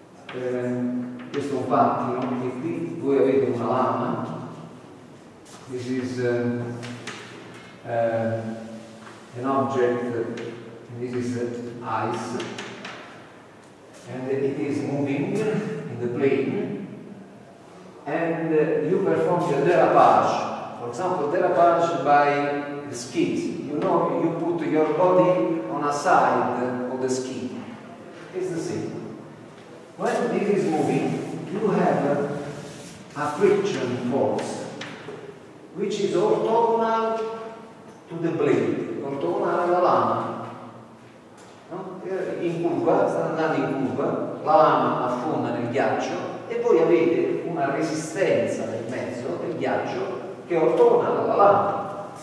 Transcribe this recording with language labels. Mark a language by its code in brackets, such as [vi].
[it] Questo pattino che qui voi avete una lama. [en] This is an object, and this is ice, and it is moving in the plane, and you perform the derapage, for example, derapage by the skis. You know, you put your body on a side of the ski. It's the same. When this is moving, you have a friction force, which is orthogonal to the blade, orthogonal [it] alla lama. No? In curva, sta andando in curva, la lama affonda nel ghiaccio e voi avete una resistenza nel mezzo del ghiaccio che è orthogonale alla lama.